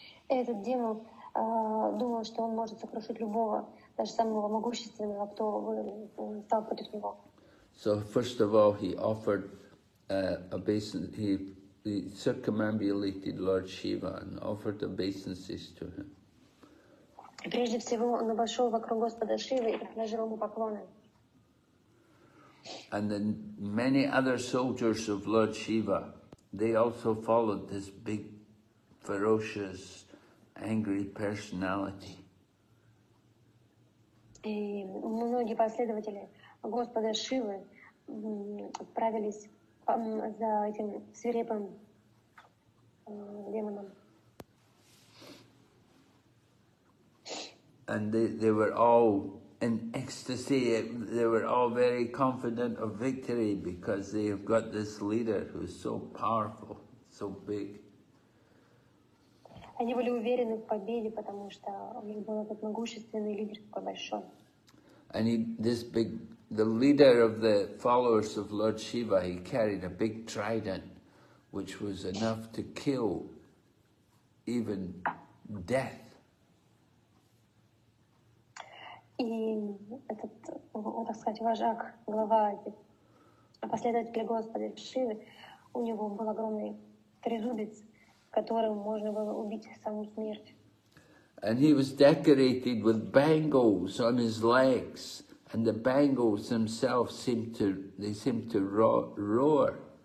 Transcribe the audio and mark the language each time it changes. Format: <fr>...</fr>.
<ru>Этот демон думал, что он может сокрушить любого, даже самого могущественного, кто стал против него.</ru> <en>So first of all, he offered obeisance, he circumambulated Lord Shiva and offered obeisances to him.</en> <ru>Прежде всего, он обошел вокруг Господа Шивы и предложил ему поклоны.</ru> <en>And then many other soldiers of Lord Shiva, they also followed this big, ferocious, angry personality.</en> <ru>И многие последователи Господа Шивы отправились за этим свирепым демоном.</ru> <en>And they were all in ecstasy, they were all very confident of victory because they have got this leader who is so powerful, so big.</en> <ru>Они были уверены в победе, потому что у них был этот могущественный лидер такой большой.</ru> <en>And the leader of the followers of Lord Shiva, he carried a big trident, which was enough to kill even death.</en> <ru>И этот, так сказать, вожак, глава, последователь Господа Шивы, у него был огромный трезубец, которым можно было убить саму смерть.</ru> <en>And he was decorated with bangles on his legs, and the bangles themselves seemed to roar.</en>